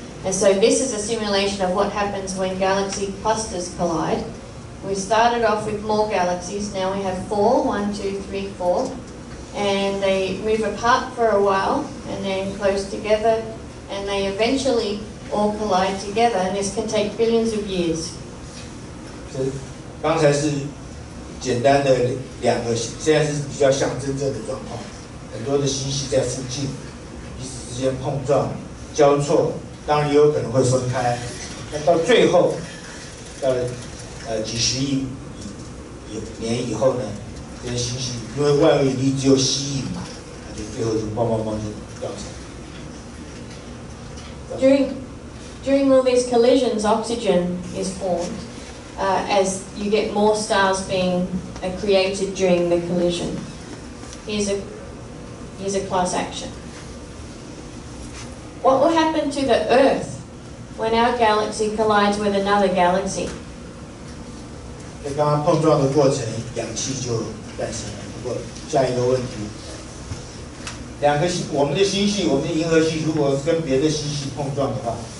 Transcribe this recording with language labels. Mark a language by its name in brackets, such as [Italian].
[English] And so this is a simulation of what happens when galaxy clusters collide. We started off with more galaxies. Now we have four, one, two, three, four. And they move apart for a while and then close together and they eventually all collide together, and this can take billions of years. [Chinese] 刚才是简单的两个，现在是比较像真正的状况，很多的星系在附近，彼此之间碰撞、交错，当然也有可能会分开。那到最后，到了几十亿年以后呢，这些星系因为万有引力只有吸引嘛，它就最后就砰砰砰就掉下来。 [English] During all these collisions, oxygen is formed as you get more stars being created during the collision. Here's a class action. What will happen to the Earth when our galaxy collides with another galaxy? [Chinese] 在刚刚碰撞的过程，氧气就诞生了。不过下一个问题，两个星，我们的星系，我们的银河系，如果跟别的星系碰撞的话。